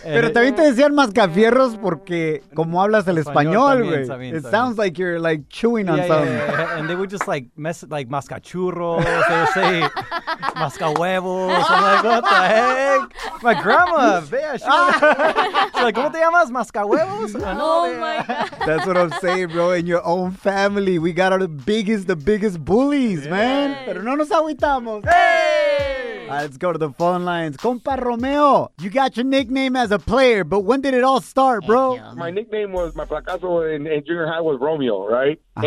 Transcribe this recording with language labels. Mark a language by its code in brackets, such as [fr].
[es] Pero también te decían Mascafierros porque como hablas el español, güey. [en] It también. Sounds like you're, like, chewing on something. Yeah. And they would just, like, mess it, like, Mascachurros. They would say Mascahuevos. I'm like, what the heck? My grandma, vea, she's like, [es] ¿cómo te llamas? Mascahuevos? [en] Oh, my God. That's what I'm saying, bro. In your own family, we got our biggest bullies, man. [es] Pero no nos agüitamos. [en] ¡Hey! All right, let's go to the phone lines. Compa Romeo, you got your nickname as a player, but when did it all start, bro? My nickname was, my fracaso in junior high was Romeo, right? Uh-huh.